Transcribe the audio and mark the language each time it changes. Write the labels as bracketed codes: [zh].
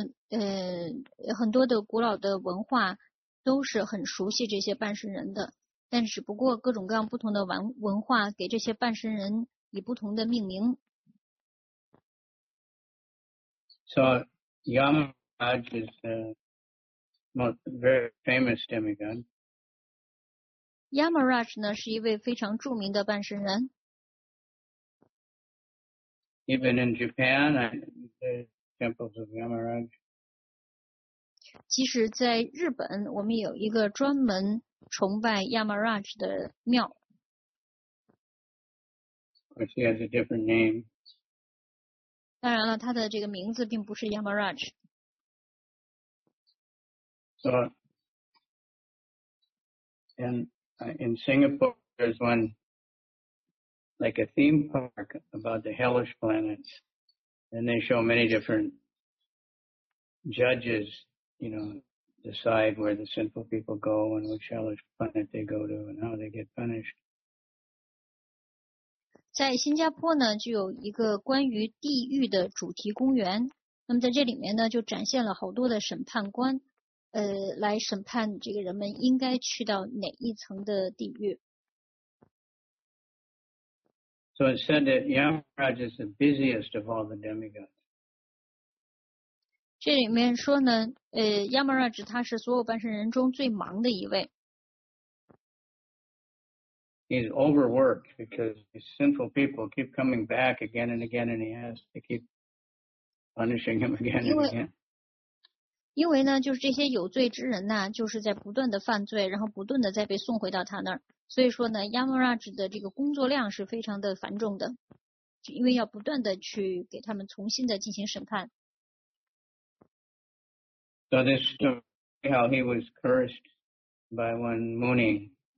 [zh] 很多的古老的文化都是很熟悉这些半神人的，但只不过各种各样不同的文化给这些半神人以不同的命名。 [en] So Yamaraj is the most very famous demigod. [zh] Yamaraj 呢是一位非常著名的半神人。 [en] Even in Japan, there's temples of Yamaraj. [zh] 即使在日本，我们有一个专门崇拜 Yamaraj 的庙。 [en] Of course, he has a different name. [zh] 当然了，他的这个名字并不是 Yamaraj。 [en] So, in Singapore, there's one, like a theme park about the hellish planets, and they show many different judges, you know, decide where the sinful people go and which hellish planet they go to and how they get punished. [zh] 在新加坡呢，就有一个关于地狱的主题公园，那么在这里面呢，就展现了好多的审判官。来审判这个人们应该去到哪一层的地狱。 [en] So it said that Yamaraj is the busiest of all the demigods. [zh] 这里面说呢，Yamaraj 他是所有半神人中最忙的一位。 [en] He's overworked because his sinful people keep coming back again and again, and he has to keep punishing him again and again. [zh] 因为呢，就是这些有罪之人呢，就是在不断的犯罪，然后不断的再被送回到他那儿。所以说呢 ，Yamaraj 的这个工作量是非常的繁重的，因为要不断的去给他们重新的进行审判。 [en] So this story how he was cursed by one Muni.